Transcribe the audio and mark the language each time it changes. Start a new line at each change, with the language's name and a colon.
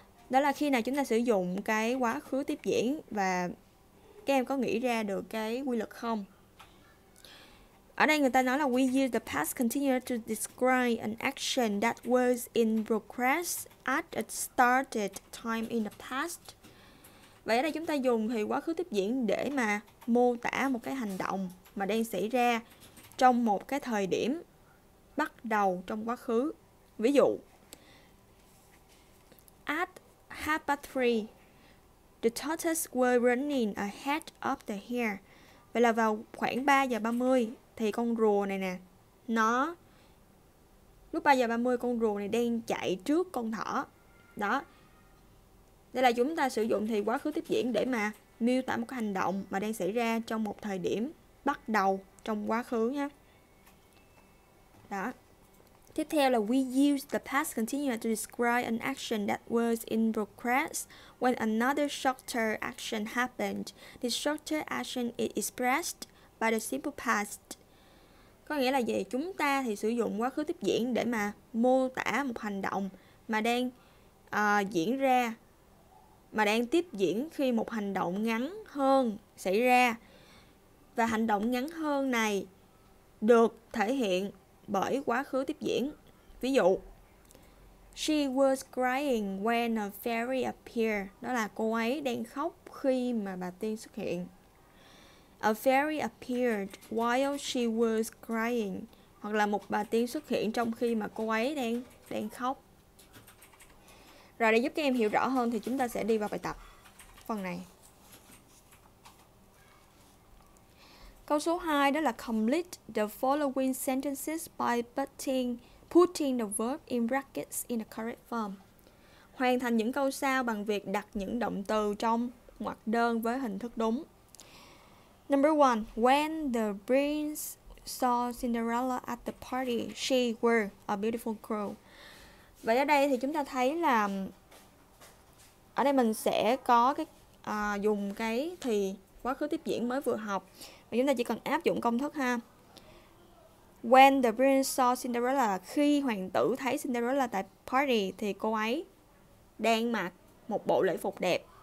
Vietnamese: Đó là khi nào chúng ta sử dụng cái quá khứ tiếp diễn và các em có nghĩ ra được cái quy luật không? Ở đây người ta nói là
English: we use the past continuous to describe an action that was in progress at a started time in the past.
Vietnamese: Vậy ở đây chúng ta dùng thì quá khứ tiếp diễn để mà mô tả một cái hành động mà đang xảy ra trong một cái thời điểm bắt đầu trong quá khứ. Ví dụ,
English: at 3:30, the tortoise were running ahead of the hare.
Vietnamese: Vậy là vào khoảng 3:30 thì con rùa này nè, nó lúc 3:30 con rùa này đang chạy trước con thỏ. Đó. Đây là chúng ta sử dụng thì quá khứ tiếp diễn để mà miêu tả một cái hành động mà đang xảy ra trong một thời điểm bắt đầu trong quá khứ nha. Đó. Tiếp theo là
English: we use the past continuous to describe an action that was in progress when another shorter action happened. The shorter action is expressed by the simple past.
Vietnamese: Có nghĩa là gì? Chúng ta thì sử dụng quá khứ tiếp diễn để mà mô tả một hành động mà đang diễn ra, mà đang tiếp diễn khi một hành động ngắn hơn xảy ra. Và hành động ngắn hơn này được thể hiện bởi quá khứ tiếp diễn. Ví dụ,
English: she was crying when a fairy appeared.
Vietnamese: Đó là cô ấy đang khóc khi mà bà tiên xuất hiện.
English: A fairy appeared while she was crying.
Vietnamese: Hoặc là một bà tiên xuất hiện trong khi mà cô ấy đang khóc. Rồi để giúp các em hiểu rõ hơn thì chúng ta sẽ đi vào bài tập phần này. Câu số 2 đó là
English: complete the following sentences by putting the verb in brackets in the correct form.
Vietnamese: Hoàn thành những câu sau bằng việc đặt những động từ trong ngoặc đơn với hình thức đúng.
English: Number 1, when the prince saw Cinderella at the party, she wore a beautiful crown.
Vietnamese: Vậy ở đây thì chúng ta thấy là ở đây mình sẽ có cái dùng cái thì quá khứ tiếp diễn mới vừa học. Và chúng ta chỉ cần áp dụng công thức ha.
English: When the prince saw Cinderella,
Vietnamese: khi hoàng tử thấy Cinderella tại party thì cô ấy đang mặc một bộ lễ phục đẹp.